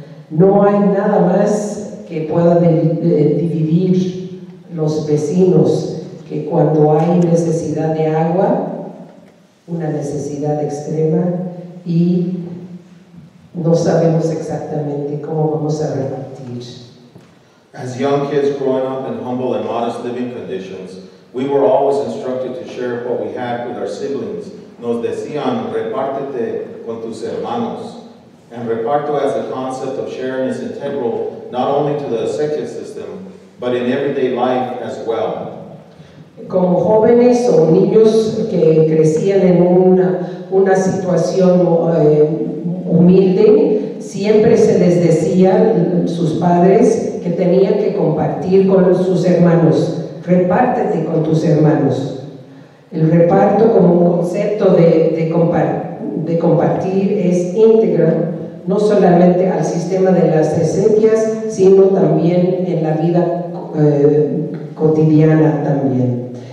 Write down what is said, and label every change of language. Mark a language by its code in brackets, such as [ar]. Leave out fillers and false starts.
[es] No hay nada más que pueda dividir los vecinos que cuando hay necesidad de agua, una necesidad extrema, y no sabemos exactamente cómo vamos a repartir. [en] As young kids growing up in humble and modest living conditions, we were always instructed to share what we had with our siblings. [es] Nos decían, repártete con tus hermanos. [en] And reparto as a concept of sharing is integral not only to the acequia system, but in everyday life as well. [es] Como jóvenes o niños que crecían en una situación humilde, siempre se les decía sus padres que tenían que compartir con sus hermanos. Repártete con tus hermanos. El reparto como un concepto de compartir es íntegro, no solamente al sistema de las acequias, sino también en la vida cotidiana también.